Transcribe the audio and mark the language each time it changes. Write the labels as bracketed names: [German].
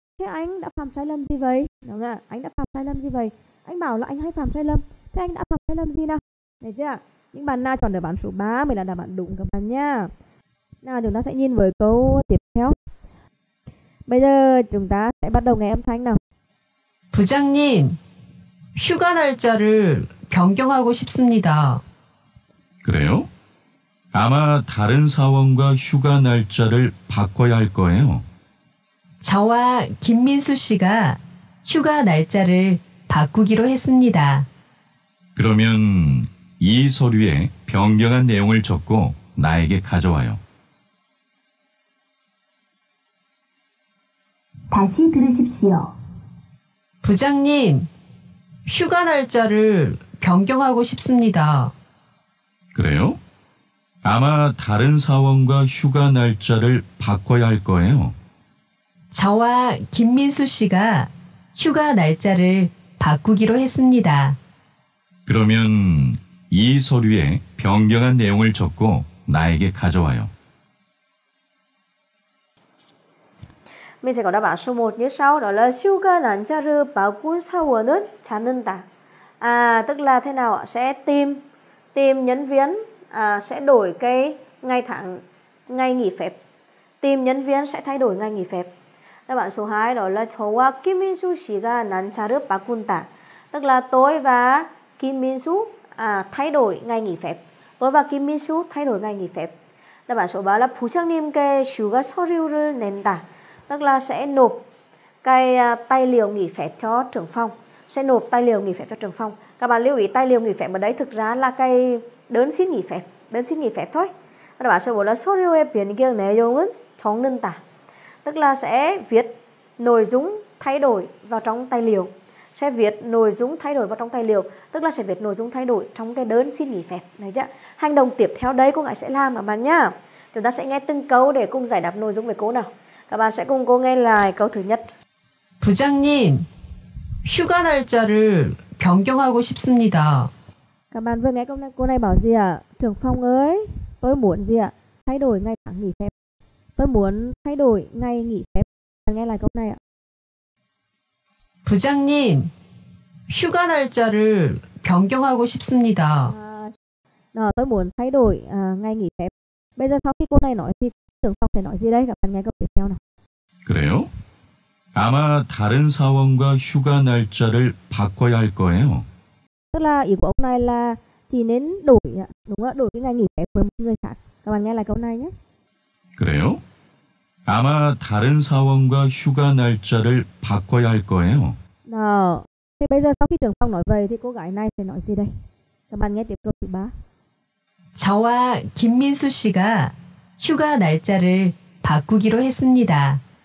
[Vietnamese] Thế anh đã phạm sai lầm gì vậy? Đúng không ạ? Anh đã phạm sai lầm gì vậy? Anh bảo là anh hay phạm sai lầm. Thế anh đã phạm sai lầm gì nào? Đấy chứ ạ? Những bạn nào chọn đáp án số 3 mới là đáp án đúng các bạn nhé. Nào chúng ta sẽ nhìn với câu tiếp theo. Bây giờ chúng ta sẽ bắt đầu nghe âm thanh nào. [Korean] 부장님, 휴가 날짜를 변경하고 싶습니다. 그래요? 아마 다른 사원과 휴가 날짜를 바꿔야 할 거예요. 저와 김민수 씨가 휴가 날짜를 바꾸기로 했습니다. 그러면 이 서류에 변경한 내용을 적고 나에게 가져와요. 다시 들으십시오. 부장님, 휴가 날짜를 변경하고 싶습니다. 그래요? 아마 다른 사원과 휴가 날짜를 바꿔야 할 거예요. 저와 김민수 씨가 휴가 날짜를 바꾸기로 했습니다. 그러면 이 서류에 변경한 내용을 적고 나에게 가져와요. [Vietnamese] 미세 có đáp án số 1 như sau, đó là [Korean] 휴가 날짜를 바꾼 사원은 잡는다. [Vietnamese] À, tức là thế nào ạ? Sẽ tìm nhân viên, sẽ đổi cái ngày tháng, ngày nghỉ phép. Tìm nhân viên sẽ thay đổi ngày nghỉ phép. Đáp án số 2 đó là [Korean] 저와 김민수 씨가 날짜를 바꾼다. [Vietnamese] Tức là tôi và Kim Min-su thay đổi ngày nghỉ phép. Tôi và Kim Min-su thay đổi ngày nghỉ phép. Đáp án số 3 là [Korean] 부장님 께 휴가 서류를 낸다. [Vietnamese] Tức là sẽ nộp cái tài liệu nghỉ phép cho trưởng phòng. Sẽ nộp tài liệu nghỉ phép cho trưởng phòng. Các bạn lưu ý tài liệu nghỉ phép ở đấy thực ra là cái đơn xin nghỉ phép. Đơn xin nghỉ phép thôi. Đáp án số 4 là [Korean] 서류에 변경한 내용은 적는다. [Vietnamese] Tức là sẽ viết nội dung thay đổi vào trong tài liệu. Sẽ viết nội dung thay đổi vào trong tài liệu. Tức là sẽ viết nội dung thay đổi trong cái đơn xin nghỉ phép. Đấy chứ. Hành động tiếp theo đây cô ngài sẽ làm các bạn nhá. Chúng ta sẽ nghe từng câu để cùng giải đáp nội dung về cô nào. Các bạn sẽ cùng cô nghe lại câu thứ nhất. [Korean] 부장님, 휴가 날짜를 변경하고 싶습니다. [Vietnamese] Các bạn vừa nghe câu này, cô này bảo gì ạ? Trưởng phòng ơi, tôi muốn gì ạ? Thay đổi ngày tháng nghỉ phép. Tôi muốn thay đổi ngày nghỉ phép. Các bạn nghe lại câu này ạ. [Korean] 부장님, 휴가 날짜를 변경하고 싶습니다. [Vietnamese] Tôi muốn thay đổi ngày nghỉ phép. Bây giờ sau khi cô này nói thì trưởng phòng sẽ nói gì đây? Các bạn nghe câu tiếp theo nào. [Korean] 그래요? 아마 다른 사원과 휴가 날짜를 바꿔야 할 거예요. [Vietnamese] Tức là ý của ông này là chỉ nên đổi, đúng không? Đổi cái ngày nghỉ phép với một người khác. Các bạn nghe lại câu này nhé. [Korean] 그래요? 아마 다른 사원과 휴가 날짜를 바꿔야 할 거예요. [Vietnamese] Nào, thế bây giờ sau khi trưởng phòng nói vậy thì cô gái này sẽ nói gì đây? Các bạn nghe tiếp câu thứ ba. [Korean] 저와 김민수 씨가 휴가 날짜를 바꾸기로 했습니다.